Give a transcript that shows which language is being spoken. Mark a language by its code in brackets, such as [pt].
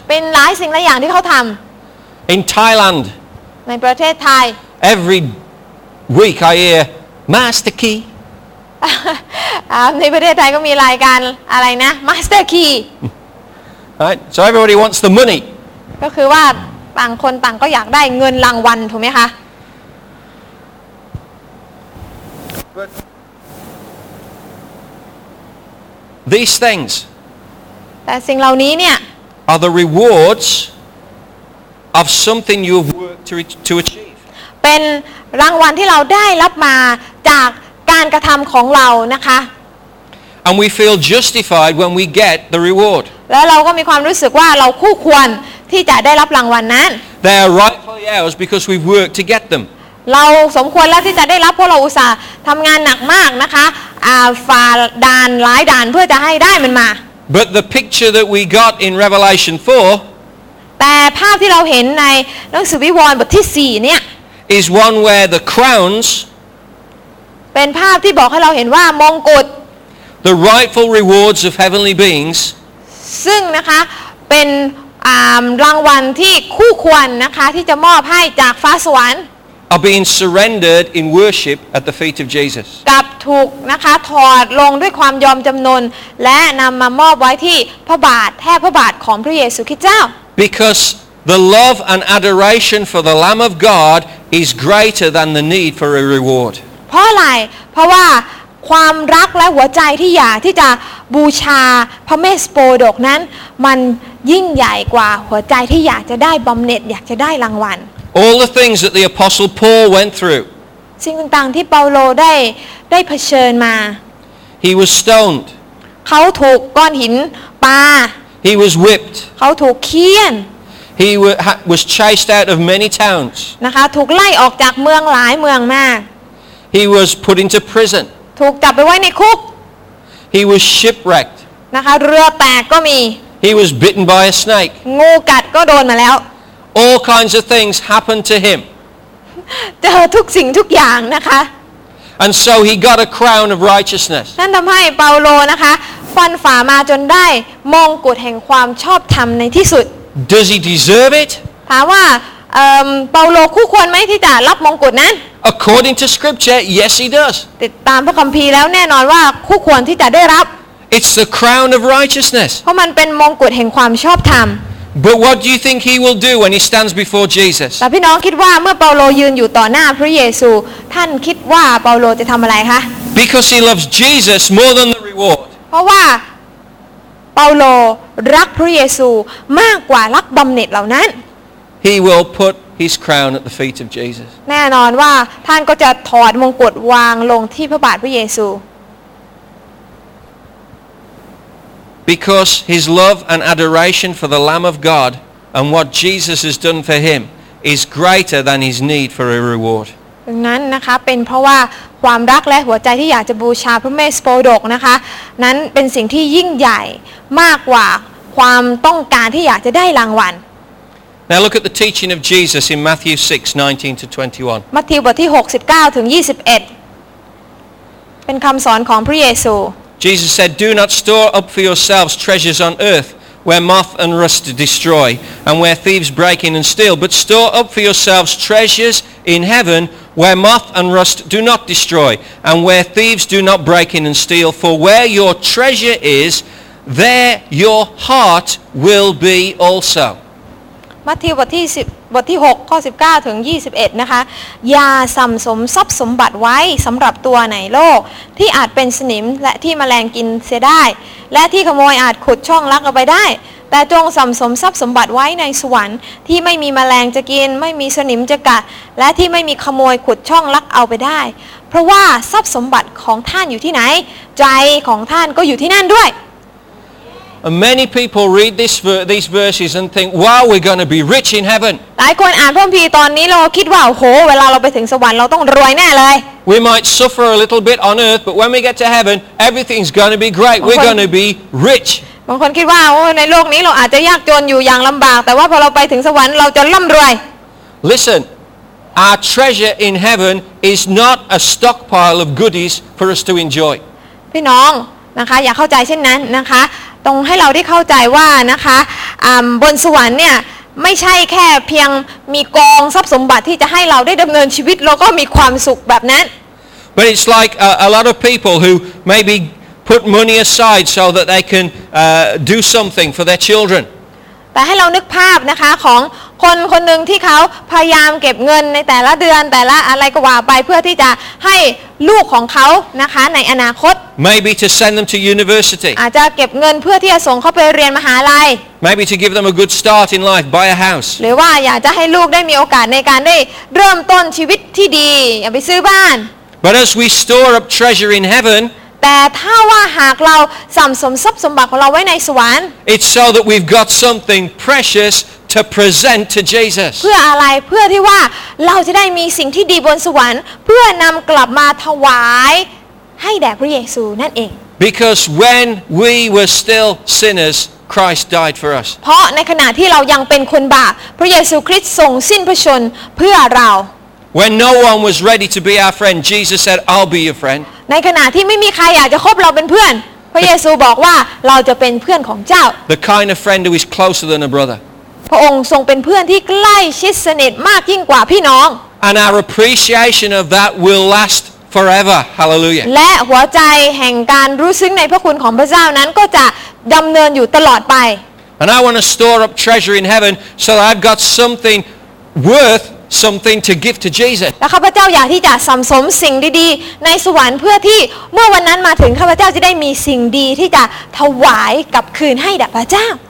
[th] เป็นหลายสิ่งหลายอย่างที่เขาทำ [en] In Thailand [th] ในประเทศไทย [en] Every week I hear Master Key [th] ในประเทศไทยก็มีรายการอะไรนะ Master Key [en] Right so everybody wants the money [th] ก็คือว่าต่างคนต่างก็อยากได้เงินรางวัลถูกไหมคะ [en] But these things [th] แต่สิ่งเหล่านี้เนี่ย [en] are the rewards of something you've worked to achieve [th] เป็นรางวัลที่เราได้รับมาจากการกระทำของเรานะคะ [en] And we feel justified when we get the reward [th] แล้วเราก็มีความรู้สึกว่าเราคู่ควรที่จะได้รับรางวัลนั้น [en] They are rightfully ours because we've worked to get them [th] เราสมควรแล้วที่จะได้รับเพราะเราอุตส่าห์ทำงานหนักมากนะคะฝ่าด่านหลายด่านเพื่อจะให้ได้มันมา [en] But the picture that we got in Revelation 4 [th] แต่ภาพที่เราเห็นในหนังสือวิวรณ์บทที่4เนี่ย [en] is one where the crowns [th] เป็นภาพที่บอกให้เราเห็นว่ามงกุฎ [en] the rightful rewards of heavenly beings [th] ซึ่งนะคะเป็นรางวัลที่คู่ควรนะคะที่จะมอบให้จากฟ้าสวรรค์ [en] are being surrendered in worship at the feet of Jesus [th] กับถูกนะคะถอดลงด้วยความยอมจำนนและนำมามอบไว้ที่พระบาทแทบพระบาทของพระเยซูคริสต์เจ้า [en] because the love and adoration for the Lamb of God is greater than the need for a reward [th] เพราะอะไรเพราะว่าความรักและหัวใจที่อยากที่จะบูชาพระเมสสโปดกนั้นมันยิ่งใหญ่กว่าหัวใจที่อยากจะได้บำเหน็จอยากจะได้รางวัล [en] All the things that the apostle Paul went through [th] สิ่งต่างๆที่เปาโลได้เผชิญมา [en] He was stoned [th] เขาถูกก้อนหินปา [en] He was whipped [th] เขาถูกเคี่ยน [en] He was chased out of many towns [th] นะคะถูกไล่ออกจากเมืองหลายเมืองมาก [en] He was put into prison [th] ถูกจับไปไว้ในคุก [en] He was shipwrecked [th] นะคะเรือแตกก็มี [en] He was bitten by a snake [th] งูกัดก็โดนมาแล้ว [en] All kinds of things happened to him [th] เจอทุกสิ่งทุกอย่างนะคะ [en] And so he got a crown of righteousness [th] นั่นทำให้เปาโลนะคะฟันฝ่ามาจนได้มงกุฎแห่งความชอบธรรมในที่สุด [en] Does he deserve it [th] ถามว่าเปาโลคู่ควรไหมที่จะรับมงกุฎนั้น [en] According to Scripture, yes, he does. [th] ตามพระคัมภีร์แล้วแน่นอนว่าคู่ควรที่จะได้รับ [en] It's the crown of righteousness. [th] เพราะมันเป็นมงกุฎแห่งความชอบธรรม [en] But what do you think he will do when he stands before Jesus? [th] แต่พี่น้องคิดว่าเมื่อเปาโลยืนอยู่ต่อหน้าพระเยซูท่านคิดว่าเปาโลจะทำอะไรคะ [en] Because he loves Jesus more than the reward. [th] เพราะว่าเปาโลรักพระเยซูมากกว่ารักบำเหน็จเหล่านั้น [en] He will put his crown at the feet of Jesus. [th] แน่นอนว่าท่านก็จะถอดมงกุฎวางลงที่พระบาทพระเยซู [en] Because his love and adoration for the Lamb of God and what Jesus has done for him is greater than his need for a reward. [th] ดังนั้นนะคะเป็นเพราะว่าความรักและหัวใจที่อยากจะบูชาพระเมสโปดกนะคะนั้นเป็นสิ่งที่ยิ่งใหญ่มากกว่าความต้องการที่อยากจะได้รางวัล [en] Now look at the teaching of Jesus in Matthew 6:19-21. [th] มัทธิวบทที่69ถึง21เป็นคำสอนของพระเยซู [en] Jesus said, "Do not store up for yourselves treasures on earth, where moth and rust destroy, and where thieves break in and steal, but store up for yourselves treasures in heaven, where moth and rust do not destroy, and where thieves do not break in and steal. For where your treasure is, there your heart will be also." [th] มัทธิวบทที่6ข้อ19ถึง21นะคะอย่าสั่มสมทรัพย์สมบัติไว้สำหรับตัวในโลกที่อาจเป็นสนิมและที่แมลงกินเสียได้และที่ขโมยอาจขุดช่องลักเอาไปได้แต่จงสั่มสมทรัพย์สมบัติไว้ในสวรรค์ที่ไม่มีแมลงจะกินไม่มีสนิมจะกัดและที่ไม่มีขโมยขุดช่องลักเอาไปได้เพราะว่าทรัพย์สมบัติของท่านอยู่ที่ไหนใจของท่านก็อยู่ที่นั่นด้วย [en] And many people read these verses and think, "Wow, we're going to be rich in heaven." [th] หลายคนอ่านพระคัมภีร์ตอนนี้เราคิดว่าโอ้โหเวลาเราไปถึงสวรรค์เราต้องรวยแน่เลย [en] We might suffer a little bit on earth, but when we get to heaven, everything's going to be great. We're going to be rich. [th] บางคนคิดว่าโอ้ในโลกนี้เราอาจจะยากจนอยู่อย่างลำบากแต่ว่าพอเราไปถึงสวรรค์เราจะร่ำรวย [en] Listen, our treasure in heaven is not a stockpile of goodies for us to enjoy. [th] พี่น้องนะคะอย่าเข้าใจเช่นนั้นนะคะต้องให้เราได้เข้าใจว่านะคะบนสวรรค์เนี่ยไม่ใช่แค่เพียงมีกองทรัพย์สมบัติที่จะให้เราได้ดำเนินชีวิตแล้วก็มีความสุขแบบนั้น [en] But it's like a lot of people who maybe put money aside so that they can do something for their children [th] แต่ให้เรานึกภาพนะคะของคนคนหนึ่งที่เขาพยายามเก็บเงินในแต่ละเดือนแต่ละอะไรก็ว่าไปเพื่อที่จะให้ลูกของเขานะคะในอนาคต [en] Maybe to send them to university [th] อาจจะเก็บเงินเพื่อที่จะส่งเขาไปเรียนมหาลัย [en] Maybe to give them a good start in life buy a house [th] หรือว่าอยากจะให้ลูกได้มีโอกาสในการได้เริ่มต้นชีวิตที่ดีอย่าไปซื้อบ้าน [en] But as we store up treasure in heaven [th] แต่ถ้าว่าหากเราสั่มสมทรัพย์สมบัติของเราไว้ในสวรรค์ [en] It's so that we've got something precious to present to Jesus [th] เพื่ออะไรเพื่อที่ว่าเราจะได้มีสิ่งที่ดีบนสวรรค์เพื่อนำกลับมาถวายให้แด่พระเยซูนั่นเอง [en] Because when we were still sinners Christ died for us [th] เพราะในขณะที่เรายังเป็นคนบาปพระเยซูคริสต์ทรงสิ้นพระชนเพื่อเรา [en] When no one was ready to be our friend Jesus said I'll be your friend [th] ในขณะที่ไม่มีใครอยากจะคบเราเป็นเพื่อนพระเยซูบอกว่าเราจะเป็นเพื่อนของเจ้า [en] The kind of friend who is closer than a brother [th] พระองค์ทรงเป็นเพื่อนที่ใกล้ชิดสนิทมากยิ่งกว่าพี่น้อง [en] And our appreciation of that will last forever hallelujah [th] และหัวใจแห่งการรู้ซึ้งในพระคุณของพระเจ้านั้นก็จะดำเนินอยู่ตลอดไป [en] And I want to store up treasure in heaven so that I've got something worthSomething to give to Jesus. [th] และข้าพเจ้าอยากที่จะสะสมสิ่งดีๆในสวรรค์เพื่อที่เมื่อวันนั้นมาถึงข้าพเจ้าจะได้มีสิ่งดีที่จะถวายกลับคืนให้แด่พระเจ้า